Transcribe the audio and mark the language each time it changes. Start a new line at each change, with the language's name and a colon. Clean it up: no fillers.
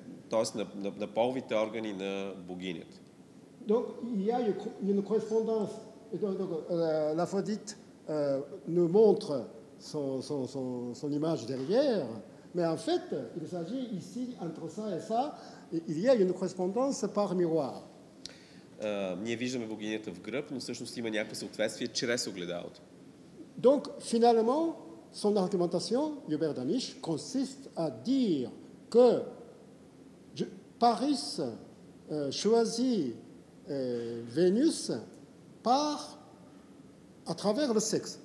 Bulgarian: Тоест на половите органи на богинята.
French: Donc il y a une correspondance. Donc, l'Aphrodite nous montre son image derrière, mais en fait, il s'agit ici, entre ça et ça, il y a une correspondance par miroir.
Bulgarian: Ние виждаме богинята в гръб, но всъщност има някакво съответствие чрез огледалото.
French: Donc, finalement, son argumentation, Hubert d'Amiche, consiste à dire que Paris choisit Vénus par à travers le sexe.